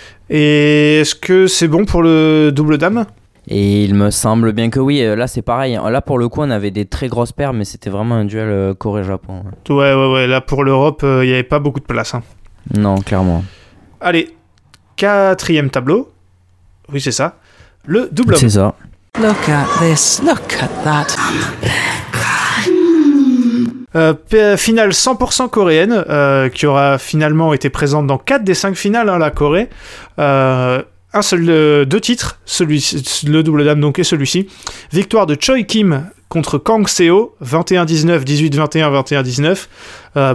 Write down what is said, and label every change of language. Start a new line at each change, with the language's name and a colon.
French: Et est-ce que c'est bon pour le double dame? Et il me semble bien que oui, là c'est pareil. Là pour le coup, on avait des très grosses paires, mais c'était vraiment un duel Corée-Japon. Ouais, ouais, ouais. Là pour l'Europe, il n'y avait pas beaucoup de place. Hein. Non, clairement. Allez, quatrième tableau. Oui, c'est ça. Le double homme. C'est ça.
English: Look at this, look at that.
French: Finale 100% coréenne, qui aura finalement été présente dans 4 des 5 finales, hein, la Corée. Un seul, deux titres, le double dame donc et celui-ci. Victoire de Choi Kim contre Kang Seo, 21-19, 18-21, 21-19.